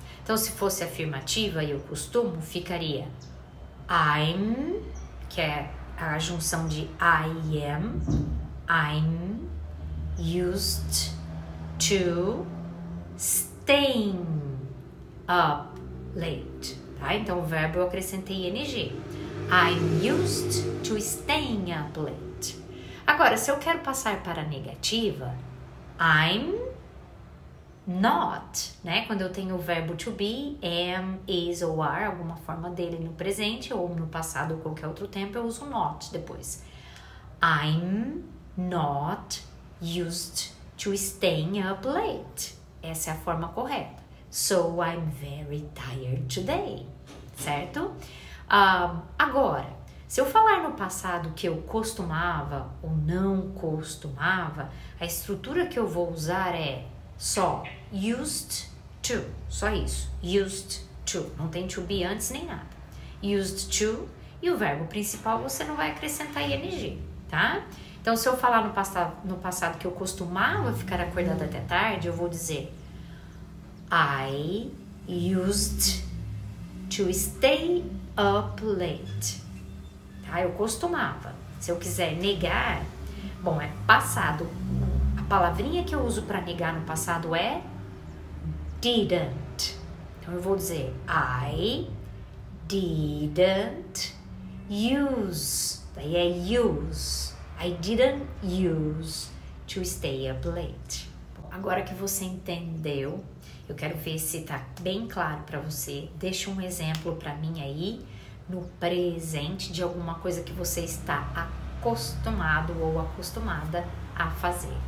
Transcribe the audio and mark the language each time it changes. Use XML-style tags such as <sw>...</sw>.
<pt>Então, se fosse afirmativa e eu costumo, ficaria I'm, que é a junção de I am,</pt> <en>I'm used to staying up late.</en> <pt>Tá? Então, o verbo eu acrescentei ing.</pt> <en>I'm used to staying up late.</en> <pt>Agora, se eu quero passar para a negativa, I'm not, né? Quando eu tenho o verbo to be, am, is ou are, alguma forma dele no presente ou no passado ou qualquer outro tempo, eu uso not depois.</pt> <en>I'm not used to staying up late.</en> <pt>Essa é a forma correta.</pt> <en>So I'm very tired today,</en> <pt>certo? Agora, se eu falar no passado que eu costumava ou não costumava, a estrutura que eu vou usar é só used to, só isso, used to, não tem to be antes nem nada. Used to, e o verbo principal você não vai acrescentar ing, tá? Então, se eu falar no passado que eu costumava ficar acordada até tarde, eu vou dizer</pt> <en>I used to stay up late.</en> <pt>Tá? Eu costumava. Se eu quiser negar, bom, é passado. A palavrinha que eu uso para negar no passado é didn't. Então eu vou dizer</pt> <en>I didn't use.</en> <pt>Daí é use.</pt> <en>I didn't use to stay up late.</en> <pt>Bom, agora que você entendeu, eu quero ver se tá bem claro para você. Deixa um exemplo para mim aí no presente de alguma coisa que você está acostumado ou acostumada a fazer.</pt>